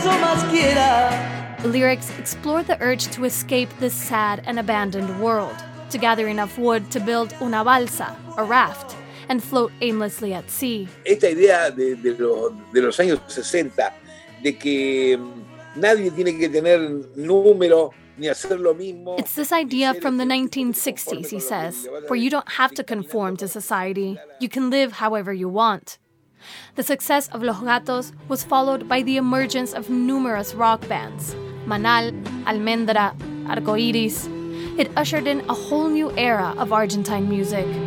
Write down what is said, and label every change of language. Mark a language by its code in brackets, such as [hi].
[en] Lyrics explore the urge to escape this sad and abandoned world, to gather enough wood to build [es] una balsa, [en] a raft, and float aimlessly at sea. [es] Esta idea de los años 60, de que nadie tiene que tener número ni hacer lo mismo. [en] It's this idea from the 1960s, he says, where you don't have to conform to society, you can live however you want. The success of Los Gatos was followed by the emergence of numerous rock bands. Manal, Almendra, Arcoiris. It ushered in a whole new era of Argentine music.